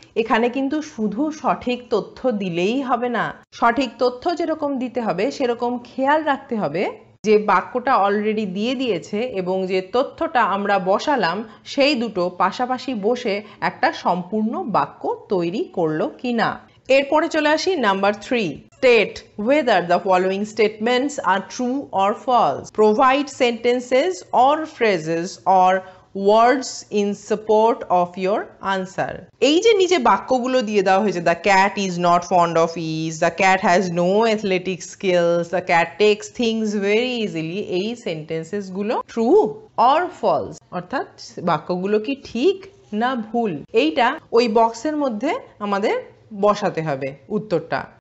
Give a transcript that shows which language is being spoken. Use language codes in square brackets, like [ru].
[bn] এখানে কিন্তু শুধু সঠিক তথ্য দিলেই হবে না, সঠিক তথ্য যেরকম দিতে হবে সেরকম খেয়াল রাখতে হবে যে বাক্যটা অলরেডি দিয়ে দিয়েছে এবং যে তথ্যটা আমরা বসালাম সেই দুটো পাশাপাশি বসে একটা সম্পূর্ণ বাক্য তৈরি করলো কিনা। এরপরে চলে আসি [en] Number three, state whether the following statements are true or false. Provide sentences or phrases or words in support of your answer. [bn] এই যে নিচে বাক্যগুলো দিয়ে দেওয়া হয়েছে, [en] the cat is not fond of ease, the cat has no athletic skills, the cat takes things very easily, [bn] এই সেন্টেন্সেসগুলো [en] true or false, [bn] অর্থাৎ বাক্যগুলো কি ঠিক না ভুল, এইটা ওই বক্সের মধ্যে আমাদের বসাতে হবে উত্তরটা।